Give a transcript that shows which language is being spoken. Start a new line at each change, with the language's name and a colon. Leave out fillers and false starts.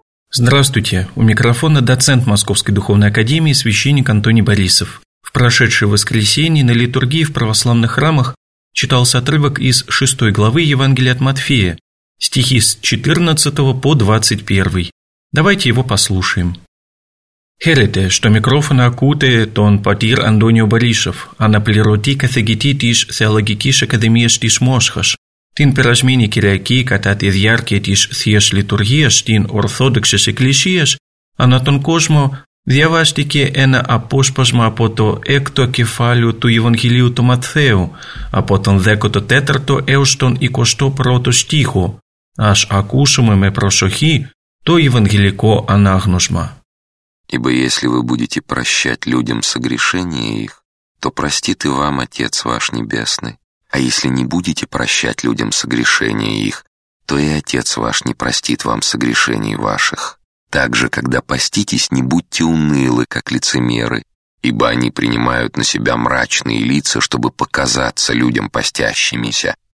Russian: Здравствуйте, у микрофона доцент Московской духовной академии священник Антоний Борисов. В прошедшее воскресенье на литургии в православных храмах читался отрывок из 6 главы Евангелия от Матфея, стихи с 14 по 21. Давайте его послушаем.
Greek: Χαίρετε, στο μικρόφωνο ακούτε τον πατήρ Αντώνιο Μπορίσοφ, αναπληρωτή καθηγητή της Θεολογικής Ακαδημίας της Μόσχας, την περασμένη Κυριακή κατά τη διάρκεια της Θείας Λειτουργίας στην Ορθόδοξης Εκκλησίας, ανά τον κόσμο διαβάστηκε ένα απόσπασμα από το 6ο κεφάλαιο του Ευαγγελίου του Ματθαίου, από τον 14ο έως τον 21ο στίχο. Ας ακούσουμε με προσοχή το Ευαγγελικό ανάγνωσμα.
Russian: Ибо если вы будете прощать людям согрешения их, то простит и вам Отец ваш Небесный. А если не будете прощать людям согрешения их, то и Отец ваш не простит вам согрешений ваших. Также, когда поститесь, не будьте унылы, как лицемеры, ибо они принимают на себя мрачные лица, чтобы показаться людям постящимися.